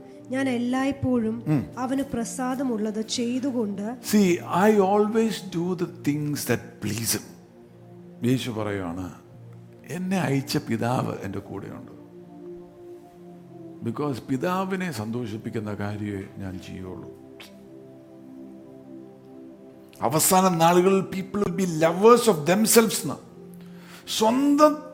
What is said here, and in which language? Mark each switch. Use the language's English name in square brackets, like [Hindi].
[Malayalam] ഞാൻ എല്ലായ്പ്പോഴും അവന് പ്രസാദമുള്ളത് ചെയ്തുകൊണ്ട്. [English] See, I always do the things that please him. [Malayalam] യേശു പറയുകയാണ്, എന്നെ അയച്ച പിതാവ് എന്റെ കൂടെയുണ്ട്, ബിക്കോസ് പിതാവിനെ സന്തോഷിപ്പിക്കുന്ന കാര്യമേ ഞാൻ ചെയ്യുള്ളൂ. അവസാന നാളുകളിൽ [English] People will be lovers of themselves. [Malayalam] സ്വന്തം